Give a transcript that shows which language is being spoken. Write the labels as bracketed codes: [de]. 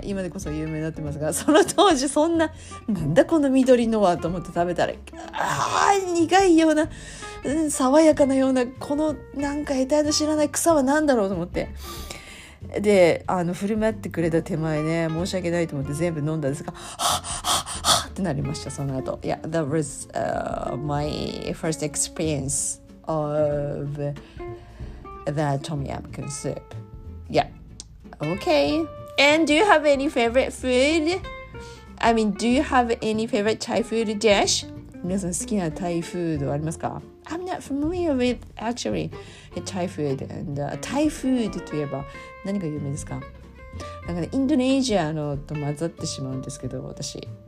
[ja] 今でこそ有名になってますが、その当時そんな、なんだこの緑のはと思って食べたら、あー苦いような、爽やかなような、このなんか得体の知らない草は何だろうと思って。で、あの振る舞ってくれた手前ね、申し訳ないと思って全部飲んだんですが、ってなりました、その後。 [en] Yeah, that was my first experience of the Tom Yam Kun soup. Yeah. Okay. And do you have any favorite food? I mean, do you have any favorite Thai food dish? [ja] 皆さん好きなタイフードありますか？ [en] I'm not familiar with actually Thai food. And Thai food [ja] といえば何が有名ですか？なんかね、インドネシアのと混ざってしまうんですけど、私。